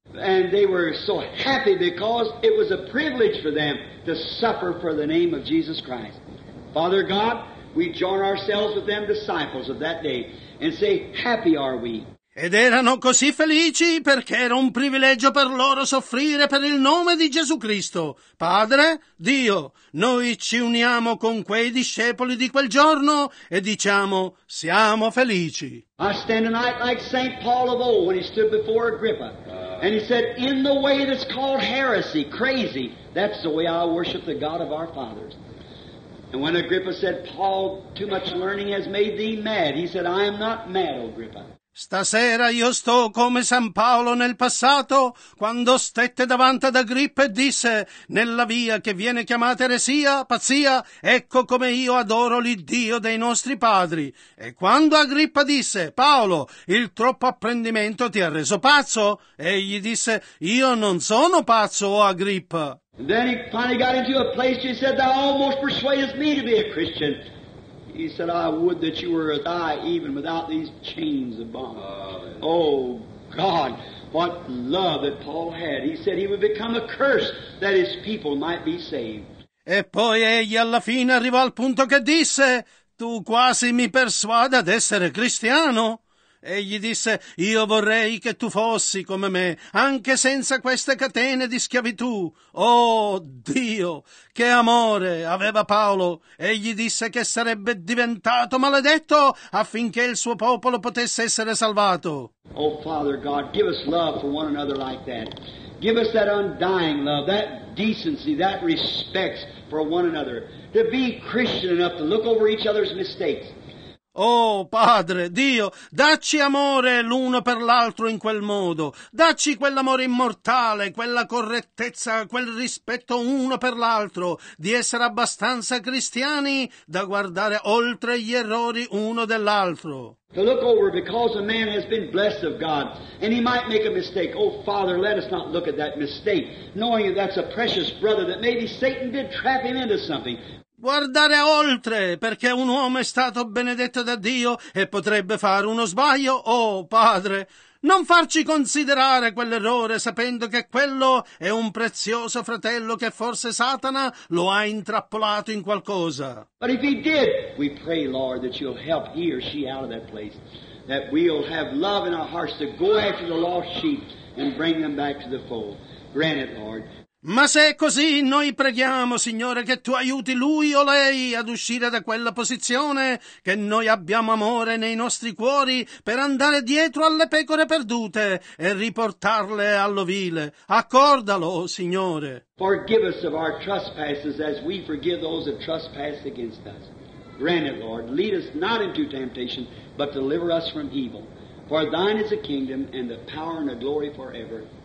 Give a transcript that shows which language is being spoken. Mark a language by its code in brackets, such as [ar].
[en] And they were so happy because it was a privilege for them to suffer for the name of Jesus Christ. Father God, we join ourselves with them disciples of that day and say, happy are we. [it] Ed erano così felici perché era un privilegio per loro soffrire per il nome di Gesù Cristo. Padre, Dio, noi ci uniamo con quei discepoli di quel giorno e diciamo, siamo felici. [en] I stand tonight like St. Paul of old when he stood before Agrippa. And he said, in the way that's called heresy, crazy, that's the way I worship the God of our fathers. And when Agrippa said, Paul, too much learning has made thee mad, he said, I am not mad, Agrippa. [it] Stasera io sto come San Paolo nel passato, quando stette davanti ad Agrippa e disse, nella via che viene chiamata eresia, pazzia, ecco come io adoro l'Iddio dei nostri padri. E quando Agrippa disse, Paolo, il troppo apprendimento ti ha reso pazzo? Egli disse, io non sono pazzo, o Agrippa. [en] Then he finally got into a place where he said, "Thou almost persuadest me to be a Christian." He said, "I would that you were a thy even without these chains of bondage." Oh, God, what love that Paul had. He said he would become a curse that his people might be saved. [it] E poi egli alla fine arrivò al punto che disse, "Tu quasi mi persuadi ad essere cristiano." Egli disse, "Io vorrei che tu fossi come me, anche senza queste catene di schiavitù." Oh Dio, che amore aveva Paolo! Egli disse che sarebbe diventato maledetto affinché il suo popolo potesse essere salvato. [en] Oh Father God, give us love for one another like that. Give us that undying love, that decency, that respect for one another. To be Christian enough to look over each other's mistakes. [it] Oh, Padre, Dio, dacci amore l'uno per l'altro in quel modo. Dacci quell'amore immortale, quella correttezza, quel rispetto uno per l'altro, di essere abbastanza cristiani da guardare oltre gli errori uno dell'altro. [en] To look over because a man has been blessed of God and he might make a mistake. Oh, Father, let us not look at that mistake, knowing that that's a precious brother that maybe Satan did trap him into something. [it] Guardare oltre, perché un uomo è stato benedetto da Dio e potrebbe fare uno sbaglio, oh Padre, non farci considerare quell'errore sapendo che quello è un prezioso fratello che forse Satana lo ha intrappolato in qualcosa. [en] But if he did, we pray, Lord, that you'll help he or she out of that place, that we'll have love in our hearts to go after the lost sheep and bring them back to the fold. Grant it, Lord. [it] Ma se è così, noi preghiamo, Signore, che Tu aiuti lui o lei ad uscire da quella posizione, che noi abbiamo amore nei nostri cuori per andare dietro alle pecore perdute e riportarle all'ovile. Accordalo, Signore. [en] Forgive us of our trespasses as we forgive those that trespass against us. Grant it, Lord, lead us not into temptation, but deliver us from evil. For Thine is the kingdom and the power and the glory forever.